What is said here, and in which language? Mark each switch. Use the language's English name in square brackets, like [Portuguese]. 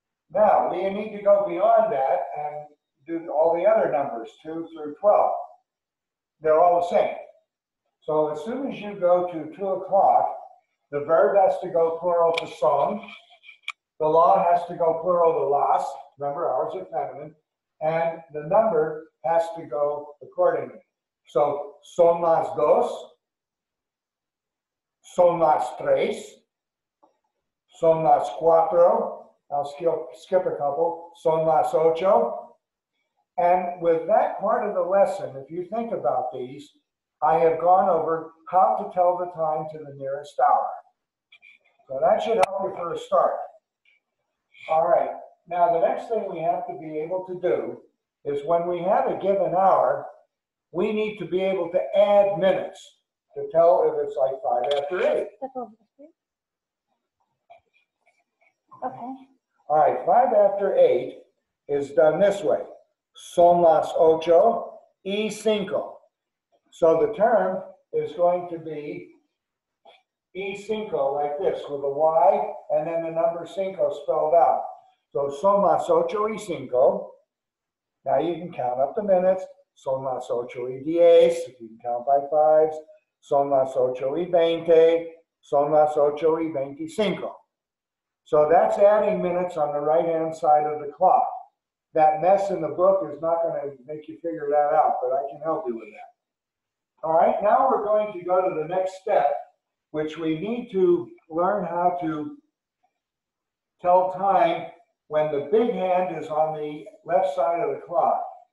[English] Now, do you need to go beyond that and do all the other numbers, 2 through 12? They're all the same. So as soon as you go to 2 o'clock, the verb has to go plural to son, the la has to go plural to las, remember hours are feminine, and the number has to go accordingly. [Spanish] So son las dos, son las tres, son las cuatro, [English] I'll skip a couple, [Spanish] son las ocho. [English] And with that part of the lesson, if you think about these, I have gone over how to tell the time to the nearest hour. So that should help you for a start. All right, now the next thing we have to be able to do is when we have a given hour, we need to be able to add minutes to tell if it's like 5 after 8. Okay. All right, 5 after 8 is done this way. [Spanish] Son las ocho y cinco. [English] So the term is going to be y cinco, like this, with a Y and then the number cinco spelled out. So [Spanish] son las ocho y cinco. [English] Now you can count up the minutes. [Spanish] Son las ocho y diez, [English] if you can count by fives. [Spanish] Son las ocho y veinte, son las ocho y veinticinco. [English] So that's adding minutes on the right-hand side of the clock. That mess in the book is not going to make you figure that out, but I can help you with that. All right, now we're going to go to the next step, which we need to learn how to tell time when the big hand is on the left side of the clock.